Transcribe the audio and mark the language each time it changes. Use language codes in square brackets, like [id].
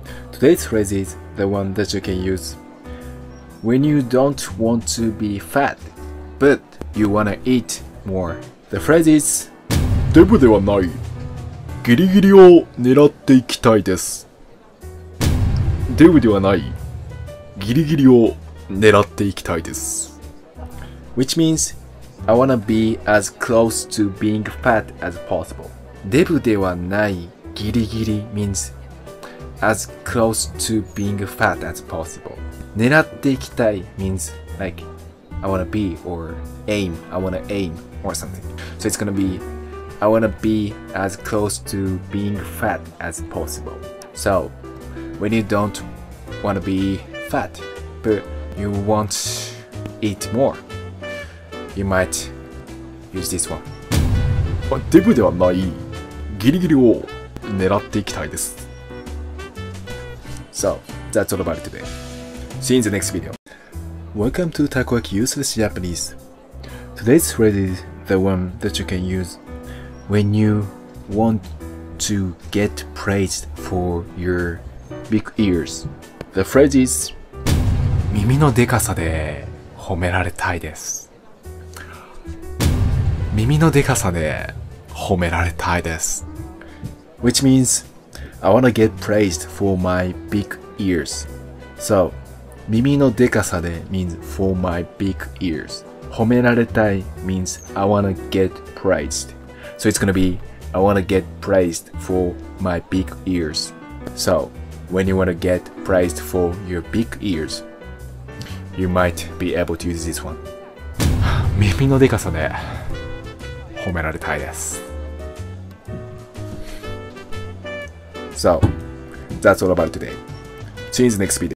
[en] Today's phrase is the one that you can use when you don't want to be fat, but you want to eat more. The phrase is [ja] デブではない。ギリギリを狙っていきたいです。デブではない。ギリギリを狙っていきたいです。 [en] Which meansI wanna be as close to being fat as possible. [ja] デブではないギリギリ [en] means as close to being fat as possible. [ja] 狙っていきたい [en] means like I want to be, or aim, I want to aim, or something. So it's going to be, I want to be as close to being fat as possible. So when you don't want to be fat, but you want eat more, you might use this one. [ja] デブではない、ギリギリを狙っていきたいです。 [en] So, that's all about it today. See you in the next video. Welcome to Takoyaki Useless Japanese. Today's phrase is the one that you can use when you want to get praised for your big ears. The phrase is [ja] 耳のデカさで褒められたいです。耳のデカさで褒められたいです。 [en] Which means, I wanna get praised for my big ears. So, [ja] 耳のデカさで [en] means for my big ears. [ja] 褒められたい [en] means I wanna get praised. So it's gonna be, I wanna get praised for my big ears. So, when you wanna get praised for your big ears, you might be able to use this one. [ja] 耳のデカさで褒められたいです。 [en] So, that's all about today. See you in the next video.